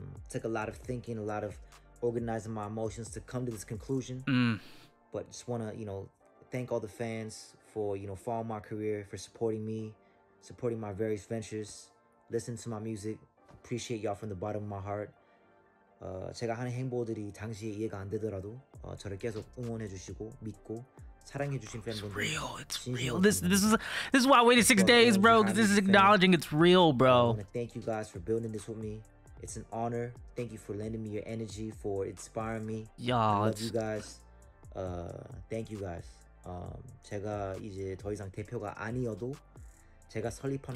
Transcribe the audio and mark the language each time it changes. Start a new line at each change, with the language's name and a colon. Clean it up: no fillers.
English: Took a lot of thinking, a lot of organizing my emotions to come to this conclusion. But just want to, you know, thank all the fans for, you know, following my career, for supporting me, supporting my various ventures, listening to my music. Appreciate y'all from the bottom of my heart.
Korean: 제가 하는 행보들이 당시에 이해가 안 되더라도 저를 계속 응원해 주시고 믿고
English: It's real. This is why I waited 6 days, bro. Because this is acknowledging it's real, bro. I want to thank you guys for building this with me. It's an honor. Thank you for lending me your energy, for inspiring me. Y'all, I love you guys. Thank you guys.
Korean: 제가 이제 더 이상 대표가 아니어도 제가 설립한.